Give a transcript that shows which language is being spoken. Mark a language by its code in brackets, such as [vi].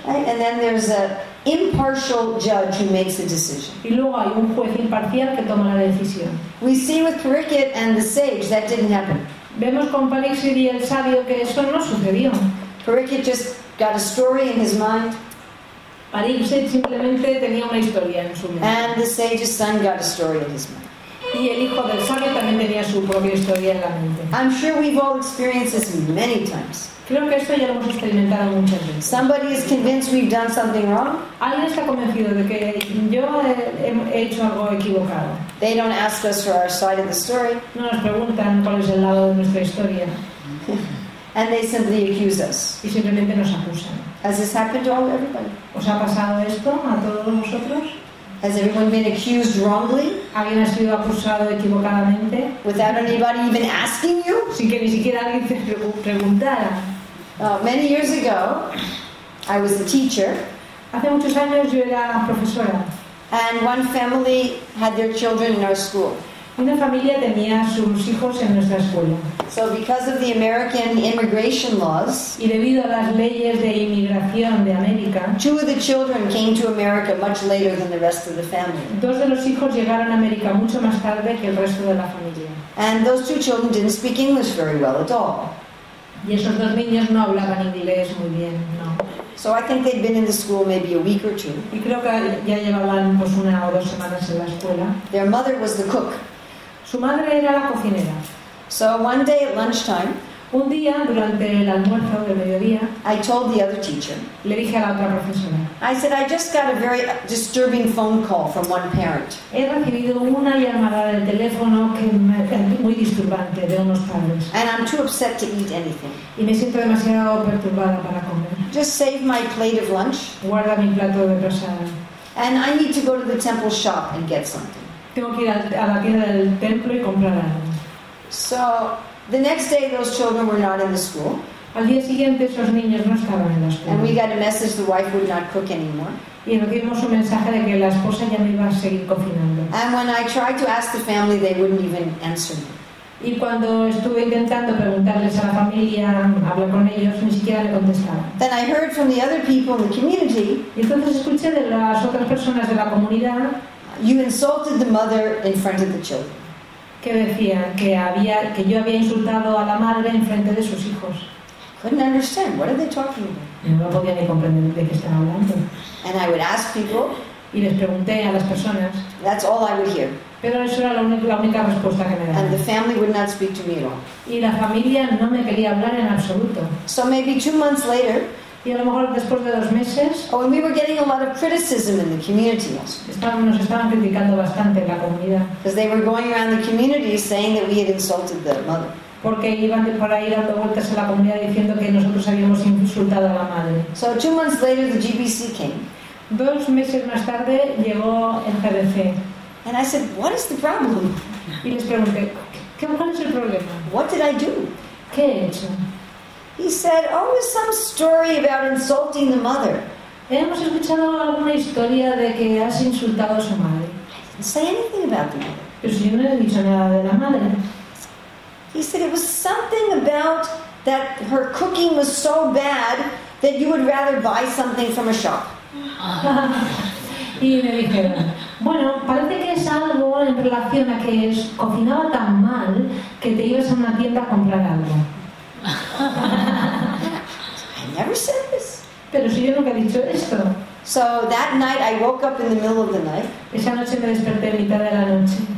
[en] And then there's an impartial judge who makes the decision. [es] Y luego hay un juez imparcial que toma la decisión. [en] We see with Pericet and the sage that didn't happen. [es] Vemos con Pericet y el sabio que eso no sucedió. [en] Pericet just got a story in his mind. [es] Pericet simplemente tenía una historia en su mente. [en] And the sage's son got a story in his mind. [es] Y el hijo del sabio también tenía su propia historia en la mente. [en] I'm sure we've all experienced this many times. [es] Creo que esto ya lo hemos experimentado muchas veces. [en] Somebody is convinced we've done something wrong. [es] Alguien está convencido de que yo he hecho algo equivocado. [en] They don't ask us for our side of the story. [es] No nos preguntan cuál es el lado de nuestra historia. [en] And they simply accuse us. [es] Y simplemente nos acusan. [en] Has this happened to everybody? [es] ¿Os ha pasado esto a todos vosotros? [en] Has everyone been accused wrongly? [es] ¿Alguien ha sido acusado equivocadamente? [en] Without anybody even asking you? [es] Sin que ni siquiera alguien te preguntara. [en] Many years ago, I was a teacher. [es] Hace muchos años yo era profesora. [en] And one family had their children in our school. [es] Una familia tenía sus hijos en nuestra escuela. [en] So because of the American immigration laws, [es] y debido a las leyes de inmigración de América, [en] two of the children came to America much later than the rest of the family. [es] Dos de los hijos llegaron a América mucho más tarde que el resto de la familia. [en] And those two children didn't speak English very well at all. [es] Y esos dos niños no hablaban inglés muy bien, no. [en] So I think they'd been in the school maybe a week or two. [es] Y creo que ya llevaban pues una o dos semanas en la escuela. [en] Their mother was the cook. [es] Su madre era la cocinera. [en] So one day at lunchtime, [es] un día durante el almuerzo del mediodía, [en] I told the other teacher, [es] le dije a la otra profesora, [en] I said, I just got a very disturbing phone call from one parent. [es] He recibido una llamada de teléfono que muy disturbante de unos padres. [en] And I'm too upset to eat anything. [es] Y me siento demasiado perturbada para comer. [en] Just save my plate of lunch. [es] Guarda mi plato de desayuno. [en] And I need to go to the temple shop and get something. [es] Tengo que ir a la tienda del templo y comprar algo. [en] So, the next day those children were not in the school. [es] Al día siguiente esos niños no estaban en la escuela. [en] And we got a message the wife would not cook anymore. [es] Y nos dimos un mensaje de que la esposa ya no iba a seguir cocinando. [en] And when I tried to ask the family, they wouldn't even answer me. [es] Y cuando estuve intentando preguntarles a la familia, hablar con ellos, ni siquiera le contestaban. [en] Then I heard from the other people in the community. [es] Y entonces escuché de las otras personas de la comunidad. [en] You insulted the mother in front of the children. [es] Que decía que yo había insultado a la madre en frente de sus hijos. [en] Couldn't understand. What are they talking about? [es] Y no podía ni comprender de qué estaban hablando. [en] And I would ask people. [es] Y les pregunté a las personas. [en] That's all I would hear. [es] Pero eso era la única respuesta que me daba. [en] And the family would not speak to me at all. [es] Y la familia no me quería hablar en absoluto. [en] So maybe 2 months later. [es] Y a lo mejor después de 2 meses. [en] Oh, and we were getting a lot of criticism in the community. [es] Nos estaban criticando bastante en la comunidad. [en] Because they were going around the community saying that we had insulted the mother. [es] Porque iban por ahí dando vueltas en la comunidad diciendo que nosotros habíamos insultado a la madre. [en] So 2 months later, the GBC came. [es] 2 meses más tarde llegó el CBC. [en] And I said, what is the problem? [es] Y les pregunté, ¿cuál es el problema? [en] What did I do? [es] ¿Qué he hecho? [en] He said, oh, it's some story about insulting the mother. [es] Hemos escuchado alguna historia de que has insultado a su madre. [en] I didn't say anything about the mother. [es] Pero si yo no he dicho nada de la madre. [en] He said, it was something about that her cooking was so bad that you would rather buy something from a shop. [es] Y me dijeron, bueno, parece que es algo en relación a que es cocinaba tan mal que te ibas a una tienda a comprar algo. [en] I never said this. [es] Pero si yo nunca he dicho esto. [en] So that night I woke up in the middle of the night. [es] Esa noche me desperté en mitad de la noche.